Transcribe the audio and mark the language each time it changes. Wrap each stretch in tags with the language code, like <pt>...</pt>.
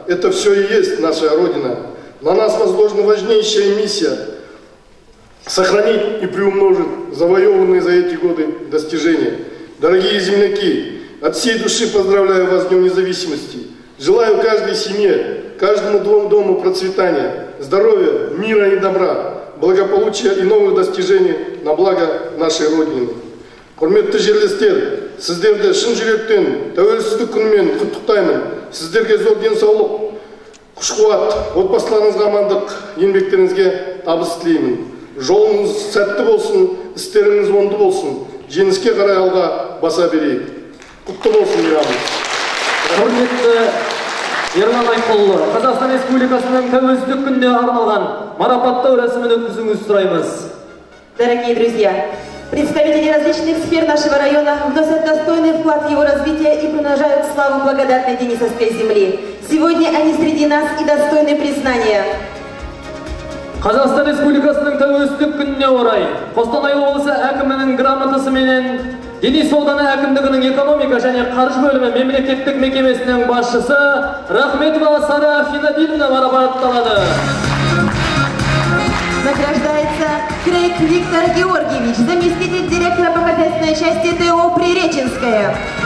<ru>Это все и есть наша Родина. На нас возложена важнейшая миссия – сохранить и приумножить завоеванные за эти годы достижения. Дорогие земляки, от всей души поздравляю вас с Днем Независимости. Желаю каждой семье, каждому дому процветания, здоровья, мира и добра, благополучия и новых достижений на благо нашей Родины.</ru> <kk>Құрметті жерлестер, сіздерді шын жүректен тәуелсіздік күнімен құттықтаймын. Сіздерге зор денсаулық, күш-қуат, отбасыларыңызға амандық, еңбектеріңізге табыс тілеймін. Жолыңыз сәтті болсын, істеріңіз оңды болсын, жеңіске қарай алға баса берейік. Құтты болсын, мейрамыңыз. Құрметті Ерлан Айтқұлұлы, Қазақстан Республикасының тәуелсіздік күніне арналған марапаттау рәсімін өткізуіңізді сұраймыз.</kk> <ru>Дорогие друзья, представители различных сфер нашего района вносят достойный вклад в его развитие и приумножают славу благодатной Денисовской земли. Сегодня они среди нас и достойны признания.</ru> <kk>Қазақстан Республикасының тәуелсіздік күніне орай, Қостанай облысы әкімінің грамотасы менен Денис ауданы әкімдігінің экономика және қаржы бөлімі мемлекеттік мекемесінің басшысы Рахметова Сара Финадиевна марапатталады.</kk> <ru>Награждается Крейг Виктор Георгиевич, заместитель директора по хозяйственной части ТО «Приреченская».</ru>